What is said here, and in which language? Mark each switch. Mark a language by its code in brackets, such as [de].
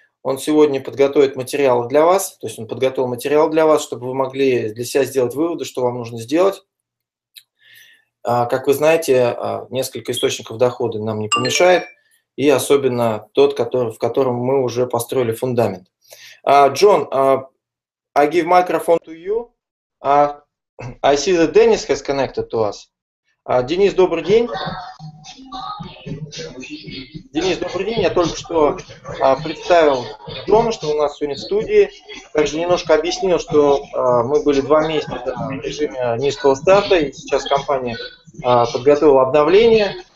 [ru] Он сегодня подготовит материалы для вас, то есть он подготовил материал для вас, чтобы вы могли для себя сделать выводы, что вам нужно сделать. Как вы знаете, несколько источников дохода нам не помешает, и особенно тот, который, в котором мы уже построили фундамент. [en] Джон, I give microphone to you. I see that Dennis has connected to us. [ru] Денис, добрый день. Денис, добрый день. Я только что представил Джона, что у нас сегодня в студии. Также немножко объяснил, что мы были 2 месяца в режиме низкого старта, и сейчас компания подготовила обновление.